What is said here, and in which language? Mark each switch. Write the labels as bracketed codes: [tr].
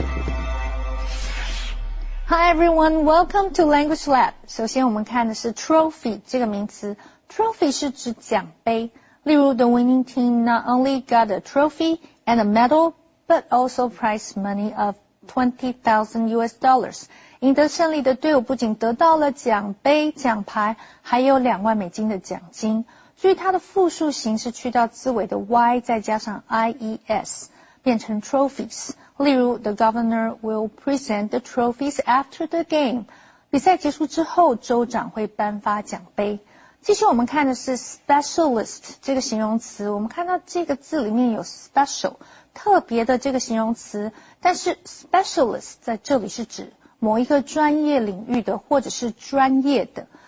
[en] Hi everyone, welcome to Language Lab. [zh] 首先我们看的是 trophy 这个名词。Trophy 是指奖杯。例如 [en] the winning team not only got a trophy and a medal, but also prize money of $20,000. [zh] 赢得胜利的队伍不仅得到了奖杯、奖牌，还有两万美金的奖金。注意它的复数形式去掉字尾的 y 再加上 ies, 变成 trophies。例如 [en] the governor will present the trophies after the game. [zh] 比赛结束之后州长会颁发奖杯。继续我们看的是 specialist 这个形容词，我们看到这个字里面有 special 特别的这个形容词，但是 specialist 在这里是指某一个专业领域的或者是专业的。